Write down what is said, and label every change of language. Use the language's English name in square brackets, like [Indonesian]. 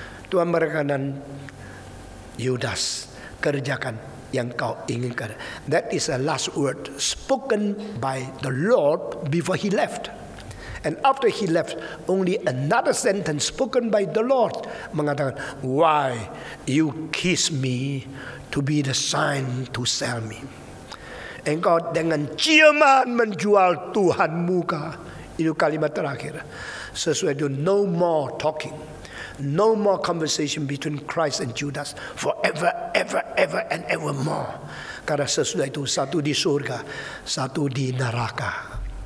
[Indonesian] Tuhan berkenan, Yudas, kerjakan yang kau inginkan. [English] That is the last word spoken by the Lord before he left. And after he left, only another sentence spoken by the Lord mengatakan, why you kiss me to be the sign to sell me? [Indonesian] Engkau dengan ciuman menjual Tuhan muka. Itu kalimat terakhir. Sesuai itu, [English] no more talking. No more conversation between Christ and Judas. Forever, ever, ever, and ever more. [Indonesian] Karena sesudah itu, satu di surga, satu di neraka.